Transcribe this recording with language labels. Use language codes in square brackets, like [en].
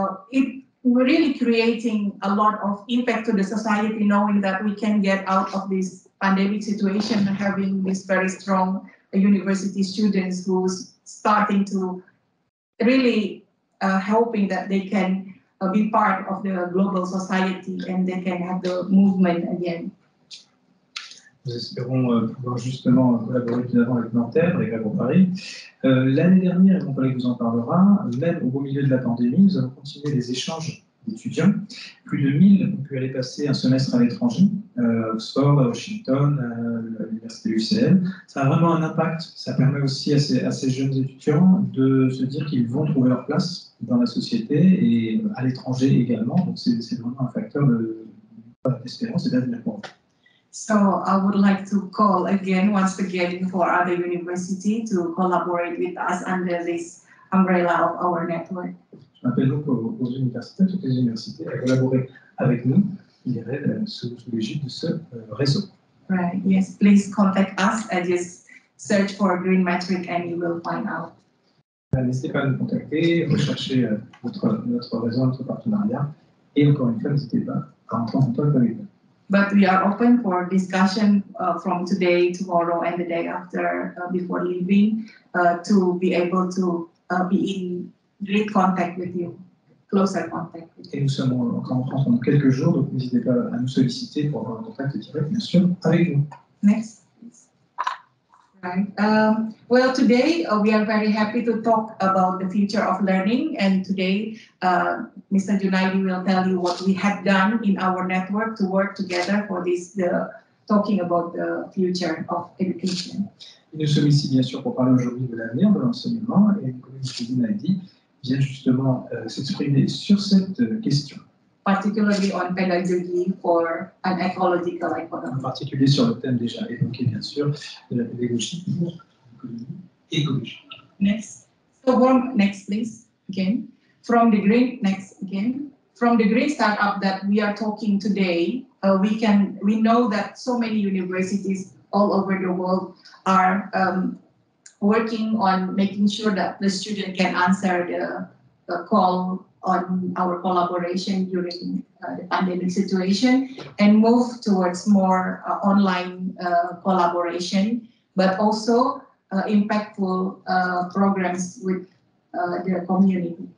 [en] It really creating a lot of impact to the society, knowing that we can get out of this pandemic situation and having this very strong university students who's starting to really helping that they can be part of the global society and they can have the movement again. [fr] Nous espérons pouvoir justement collaborer plus avant avec Nanterre, avec Agro Paris. L'année dernière, et mon collègue vous en parlera, même au beau milieu de la pandémie, nous avons continué les échanges d'étudiants. Plus de 1000 ont pu aller passer un semestre à l'étranger, Oxford, Washington, l'université UCL. Ça a vraiment un impact. Ça permet aussi à ces jeunes étudiants de se dire qu'ils vont trouver leur place dans la société et à l'étranger également. Donc c'est vraiment un facteur d'espérance et d'avenir pour eux. [en] So I would like to call again, once again, for other universities to collaborate with us under this umbrella of our network. [fr] Je m'appelle donc aux universités, toutes les universités, à collaborer avec nous, il y aurait sous l'égide de ce réseau. [en] Right, yes, please contact us and just search for Green Metric and you will find out. [fr] N'hésitez pas à nous contacter, recherchez notre réseau, notre partenariat, et encore une fois, n'hésitez pas à entrer en contact avec nous. [en] But we are open for discussion from today, tomorrow, and the day after, before leaving, to be able to be in great contact with you, closer contact. [fr] Et nous sommes encore en France pendant quelques jours, donc n'hésitez pas à nous solliciter pour avoir un contact direct, bien sûr, avec vous. [en] Next. Right. Well, today we are very happy to talk about the future of learning. And today, Mr. Junaidi will tell you what we have done in our network to work together for this, talking about the future of education. [fr] Nous sommes ici, bien sûr, pour parler aujourd'hui de l'avenir de l'enseignement. Et Mr. Junaidi vient justement s'exprimer sur cette question. [en] Particularly on pedagogy for an ecological economy. [fr] En particulier sur le thème déjà évoqué, bien sûr, de la pédagogie pour l'économie écologique. [en] Next. So from, next, please, again. From the green, next, again. From the green startup that we are talking today, we know that so many universities all over the world are working on making sure that the student can answer the call on our collaboration during the pandemic situation and move towards more online collaboration, but also impactful programs with the community.